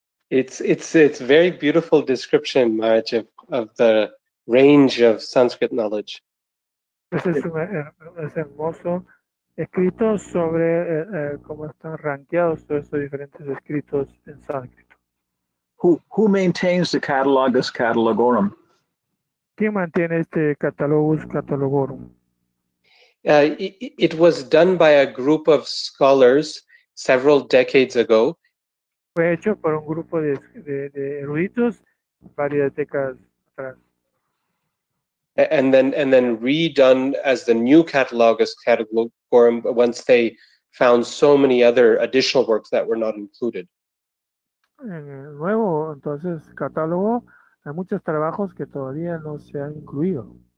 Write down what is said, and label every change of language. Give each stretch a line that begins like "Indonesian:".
English: It's very beautiful description, Maharaj, of the range of Sanskrit knowledge.
Spanish: Es hermoso. Escritos sobre cómo están rankeados todos estos diferentes escritos en sánscrito.
English: Who maintains the Catalogus Catalogorum?
Spanish: ¿Quién mantiene este Catalogus Catalogorum?
English: It was done by a group of scholars several decades ago.
Spanish: Fue hecho por un grupo de eruditos varias décadas atrás.
English: And then redone as the new Catalogus Catalogorum once they found so many other additional works that were not included.
Spanish: En el nuevo entonces catálogo hay muchos trabajos que todavía no se han incluido.